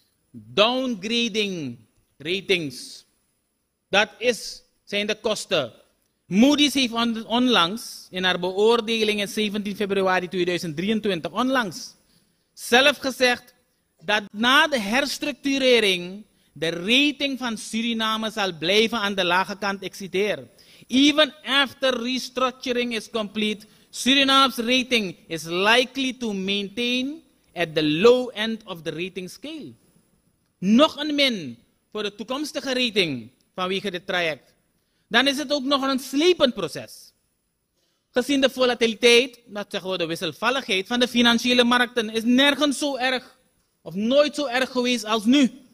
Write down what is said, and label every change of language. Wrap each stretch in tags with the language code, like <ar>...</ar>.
<en>Downgrading ratings.</en> <nl>Dat zijn de kosten. Moody's heeft onlangs in haar beoordeling in 17 februari 2023 onlangs zelf gezegd dat na de herstructurering de rating van Suriname zal blijven aan de lage kant, ik citeer.</nl> <en>Even after restructuring is complete, Suriname's rating is likely to maintain at the low end of the rating scale.</en> <nl>Nog een min voor de toekomstige rating vanwege dit traject. Dan is het ook nog een slepend proces. Gezien de volatiliteit, dat zeggen we de wisselvalligheid, van de financiële markten is nergens zo erg of nooit zo erg geweest als nu.</nl>